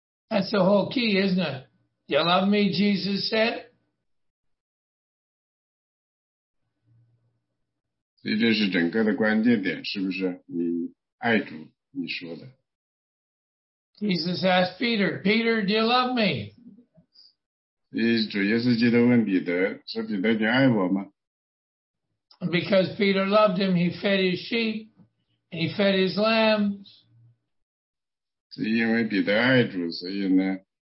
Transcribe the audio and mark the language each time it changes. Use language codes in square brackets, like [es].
[en] That's the whole key, isn't it? You love me, Jesus said. [zh] 所以这是整个的关键点，是不是？你爱主，你说的。 [en] Jesus asked Peter, Peter, do you love me? [zh] 主耶稣基督问彼得，说彼得，你爱我吗？ [en] Because Peter loved him, he fed his sheep, and he fed his lambs. [zh] 所以因为彼得爱主，所以呢，